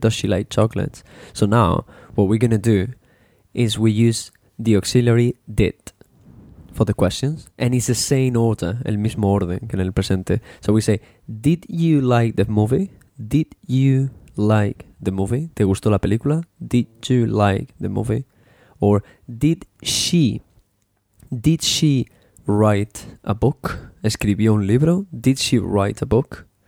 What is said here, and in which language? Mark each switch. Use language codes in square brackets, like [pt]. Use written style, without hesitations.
[en] Does she like chocolate? So now, what we're going to do is we use the auxiliary did for the questions. And it's the same order, [es] el mismo orden que en el presente. [en] So we say, did you like the movie? Did you like the movie? [es] ¿Te gustó la película? [en] Did you like the movie? Or, did she write a book? [es] ¿Escribió un libro? [en] Did she write a book?